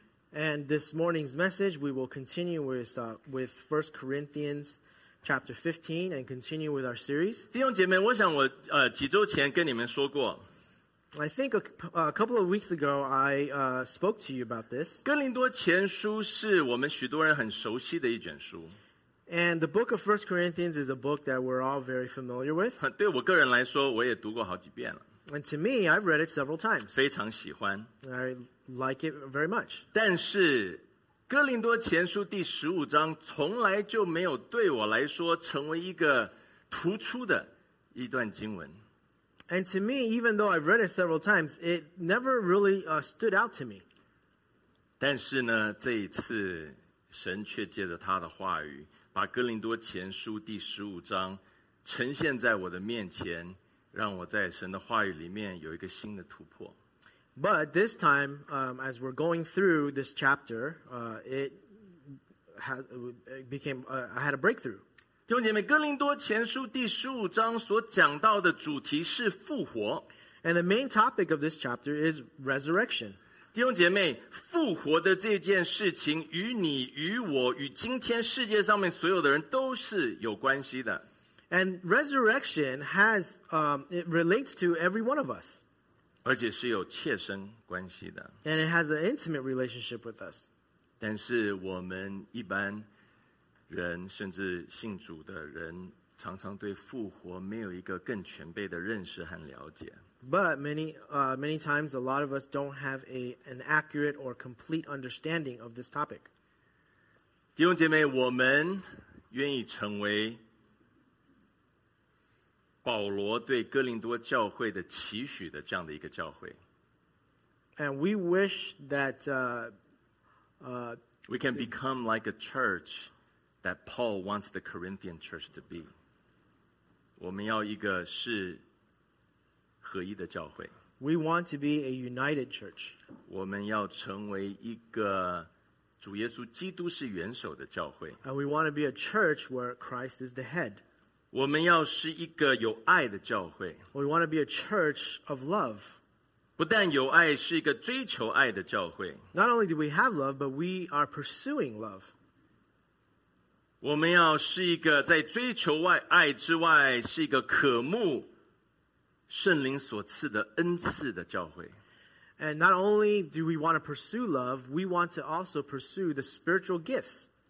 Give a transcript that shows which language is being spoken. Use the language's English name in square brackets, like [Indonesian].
[English] And this morning's message, we will continue with 1 Corinthians chapter 15 and continue with our series. [Chinese] 弟兄姐妹，我想我几周前跟你们说过。 [English] I think a couple of weeks ago, I spoke to you about this. [Chinese] 哥林多前书是我们许多人很熟悉的一卷书。 [English] And the book of 1 Corinthians is a book that we're all very familiar with. [Chinese] 对我个人来说，我也读过好几遍了。 [English] And to me, I've read it several times. [Chinese] 非常喜欢。 [English] I like it very much. [Chinese] 但是哥林多前书第十五章从来就没有对我来说成为一个突出的一段经文。 [English] And to me, even though I've read it several times, it never really stood out to me. [Chinese] 但是呢，这一次神却借着他的话语，把哥林多前书第十五章呈现在我的面前。让我在神的话语里面有一个新的突破。 [English] But this time, as we're going through this chapter, I had a breakthrough. [Chinese] 弟兄姐妹，哥林多前书第十五章所讲到的主题是复活。 [English] And the main topic of this chapter is resurrection. [Chinese] 弟兄姐妹，复活的这件事情与你、与我、与今天世界上面所有的人都是有关系的。 [English] And resurrection has, it relates to every one of us. [Chinese] 而且是有切身关系的。 [English] And it has an intimate relationship with us. [Chinese] 但是我们一般人，甚至信主的人，常常对复活没有一个更全备的认识和了解。 [English] But many times a lot of us don't have an accurate or complete understanding of this topic. [Chinese] 弟兄姐妹，我们愿意成为保罗对哥林多教会的期许的这样的一个教会。 [English] And we wish that we can become like a church that Paul wants the Corinthian church to be. [Chinese] 我们要一个是合一的教会。 [English] We want to be a united church. [Chinese] 我们要成为一个主耶稣基督是元首的教会。 [English] And we want to be a church where Christ is the head. [Chinese] 我们要是一个有爱的教会。 [English] We want to be a church of love. [Chinese] 不但有爱，是一个追求爱的教会。 [English] Not only do we have love, but we are pursuing love. [Chinese] 我们要是一个在追求爱之外，是一个渴慕圣灵所赐的恩赐的教会。 [English] And not only do we want to pursue love, we want to also pursue the spiritual gifts.